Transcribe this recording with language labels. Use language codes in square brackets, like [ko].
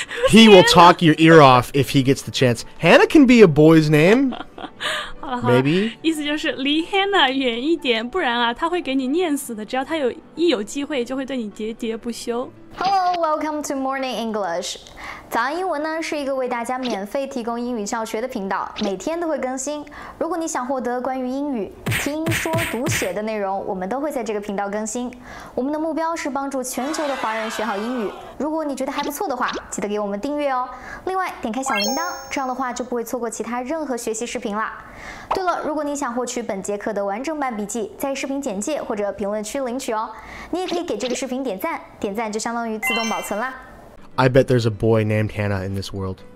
[en] He will talk your ear off if he gets the chance. Hannah can be a boy's name. [zh] 好了好 [en] 了 Maybe. [zh] 意思就是离 Hannah 远一点，不然啊，他会给你念死的。只要他有一有机会，就会对你喋喋不休。 [en] Hello, welcome to Morning English. [zh] 早安英文呢是一个为大家免费提供英语教学的频道，每天都会更新。如果你想获得关于英语听说读写的内容，我们都会在这个频道更新。我们的目标是帮助全球的华人学好英语。如果你觉得还不错的话，记得给我们订阅哦。另外，点开小铃铛，这样的话就不会错过其他任何学习视频啦。对了，如果你想获取本节课的完整版笔记，在视频简介或者评论区领取哦。你也可以给这个视频点赞，点赞就相当于自动保存啦。 [en] I bet there's a boy named Hannah in this world.